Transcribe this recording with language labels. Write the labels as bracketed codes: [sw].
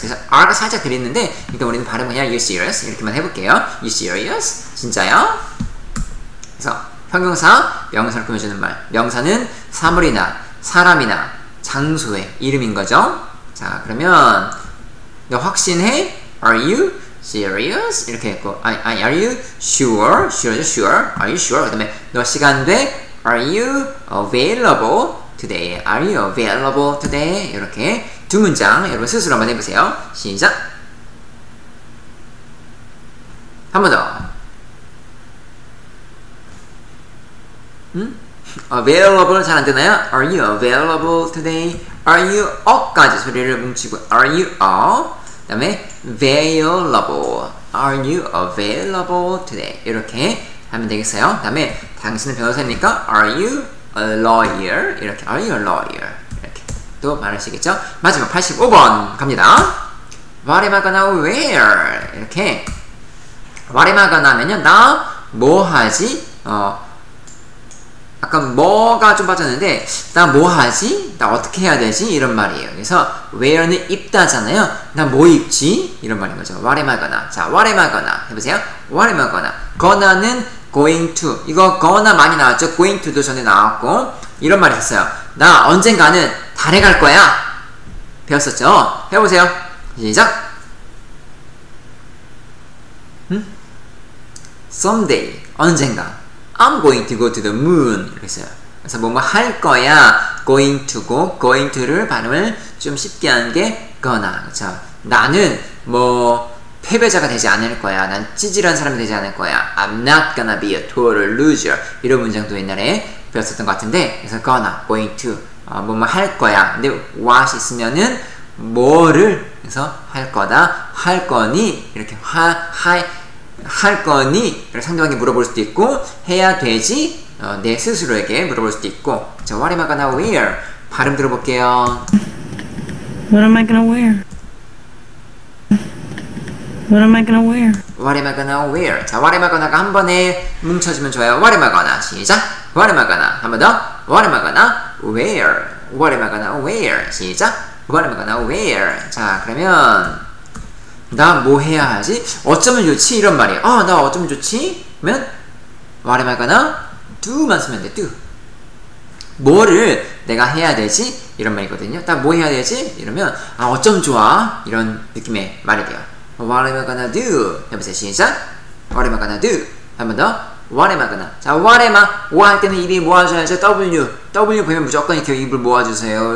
[ko] 그래서 R가 살짝 들리는데 일단 우리는 발음 그냥 [en] Are you serious? [ko] 이렇게만 해볼게요. [en] Are you serious? [ko] 진짜요? 그래서 형용사, 명사를 꾸며주는 말 명사는 사물이나 사람이나 장소의 이름인 거죠. 자 그러면 너 확신해? Are you [en] serious? [ko] 이렇게 했고, [en] are you sure? Sure, sure. Are you sure? [ko] 그 다음에, 너 시간 돼? [en] Are you available today? Are you available today? [ko] 이렇게 두 문장 여러분 스스로 한번 해보세요. 시작! 한 번 더. 응? Available 잘 안 되나요? [en] Are you available today? Are you up까지 [ko] 소리를 뭉치고 [en] Are you up? [ko] 그 다음에 [en] Available Are you available today? [ko] 이렇게 하면 되겠어요. 그 다음에 당신은 변호사입니까? [en] Are you a lawyer? 이렇게 Are you a lawyer? [ko] 이렇게 또 말하시겠죠? 마지막 85번 갑니다. [en] What am I gonna wear? [ko] 이렇게 [en] What am I gonna [ko] 하면요 나 뭐 하지? 약간 뭐가 좀 빠졌는데 나 뭐 하지? 나 어떻게 해야 되지? 이런 말이에요. 그래서 wear는 입다잖아요. 나 뭐 입지? 이런 말인 거죠. [en] What am I gonna? 자, what am I gonna? 해보세요. What am I gonna? gonna는 going to. [ko] 이거 gonna 많이 나왔죠. going to도 전에 나왔고 이런 말이 있었어요. 나 언젠가는 달에 갈 거야. 배웠었죠? 해보세요. 시작. 응? someday 언젠가. [en] I'm going to go to the moon [ko] 이렇게 했어요. 그래서 뭐뭐 할 거야 going to고 going to를 발음을 좀 쉽게 하는 게 gonna 그렇죠? 나는 뭐 패배자가 되지 않을 거야 난 찌질한 사람이 되지 않을 거야 [en] I'm not gonna be a total loser [ko] 이런 문장도 옛날에 배웠었던 것 같은데 그래서 gonna, going to 뭐뭐 할 거야 근데 what 있으면은 뭐를 그래서 할 거다 할 거니 이렇게 할 거니? 상대방이 물어볼 수도 있고 해야 되지? 내 스스로에게 물어볼 수도 있고 자, [en] What am I gonna wear? [ko] 발음 들어볼게요 [en] What am I gonna wear? What am I gonna wear? What am I gonna wear? 자, What am I gonna가 [ko] 한 번에 뭉쳐주면 좋아요 [en] What am I gonna? 시작! What am I gonna? 한 번 더 What am I gonna wear? What am I gonna wear? 시작! What am I gonna wear? [ko] 자, 그러면 나 뭐 해야 하지? 어쩌면 좋지? 이런 말이에요. 아, 나 어쩌면 좋지? [en] 그러면 What am I gonna? [ko] do만 쓰면 돼, do. 뭐를 내가 해야 되지? 이런 말이거든요. 나 뭐 해야 되지? 이러면 아, 어쩌면 좋아? 이런 느낌의 말이 돼요. [en] What am I gonna do? [ko] 해보세요. 시작! [en] What am I gonna do? 한 번 더 What am I gonna? 자, What am I? [ko] 뭐 할 때는 입이 모아줘야죠. W 보면 무조건 이렇게 입을 모아주세요.